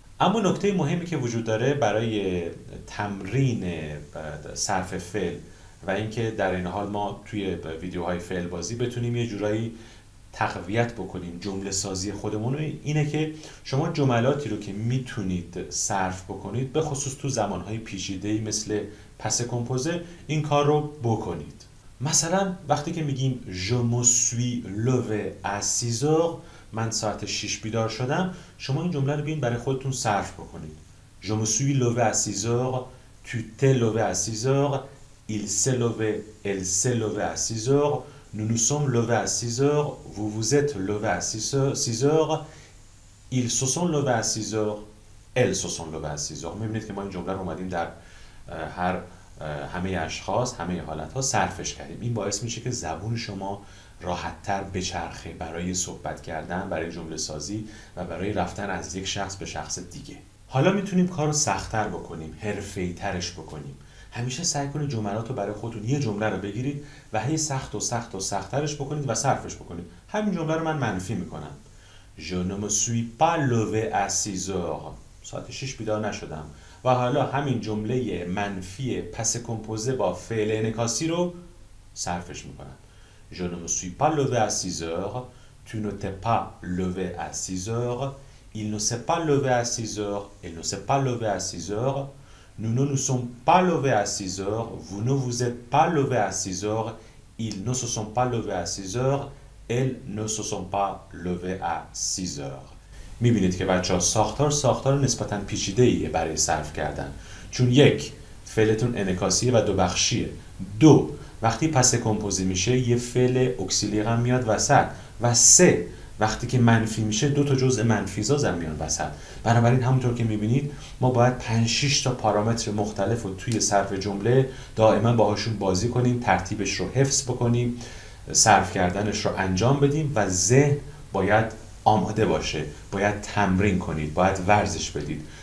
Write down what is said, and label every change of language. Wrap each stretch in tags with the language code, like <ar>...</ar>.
<fa>اما نکته مهمی که وجود داره برای تمرین صرف فعل و اینکه در این حال ما توی ویدیوهای فعل بازی بتونیم یه جورایی تقویت بکنیم جمله سازی خودمون، اینه که شما جملاتی رو که میتونید صرف بکنید به خصوص تو زمانهای پیچیده‌ای مثل پس کمپوزه این کار رو بکنید. مثلا وقتی که میگیم</fa> <fr>je me suis levé à 6h،</fr> <fa>من ساعت 6 بیدار شدم، شما این جمله رو بیاین برای خودتون صرف بکنید.</fa> <fr>Je me suis levé à 6h, tu t'es levé à 6h, il s'est levé, elle s'est levé à 6h, nous nous sommes levés à 6h, vous vous êtes levé à 6h, ils se sont levés à 6h, elles se sont levées à 6h.</fr> <fa>می‌بینید که ما این جمله رو اومدیم در هر همه اشخاص، همه حالت‌ها صرفش کردیم. این باعث میشه که زبون شما راحت تر بچرخه برای صحبت کردن، برای جمله سازی و برای رفتن از یک شخص به شخص دیگه. حالا میتونیم کار رو سخت‌تر بکنیم، حرفه‌ای ترش بکنیم. همیشه سعی کنید جملات رو برای خودتون یه جمله رو بگیرید و هی سخت و سخت و سخت ترش بکنید و صرفش بکنید. همین جمله رو من منفی میکنم.</fa> <fr>Je ne me suis pas levé à 6h.</fr> <fa>ساعت 6 بیدار نشدم. و حالا همین جمله منفی پس کمپوزه با فعل انعکاسی رو صرفش میکنم.</fa> <fr>Je ne me suis pas levé à 6h, tu ne t'es pas levé à 6h, il ne s'est pas levé à 6h, elle ne s'est pas levé à 6h, nous ne nous sommes pas levés à 6h, vous ne vous êtes pas levé à 6h, ils ne se sont pas levés à 6h, elles ne se sont pas levées à 6h.</fr> <fa>می‌بینید که بچه‌ها ساختار نسبتاً پیچیده‌ایه برای صرف کردن، چون یک فعلتون انعکاسیه و دو بخشیه. دو، وقتی پس کمپوزی میشه یه فعل اکسیلیق هم میاد وسط، و سه، وقتی که منفی میشه دو تا جزء منفی سازم میان وسط. بنابراین همونطور که میبینید ما باید 5-6 تا پارامتر مختلف رو توی صرف جمله دائما باهاشون بازی کنیم، ترتیبش رو حفظ بکنیم، صرف کردنش رو انجام بدیم و ذهن باید آماده باشه، باید تمرین کنید، باید ورزش بدید.</fa>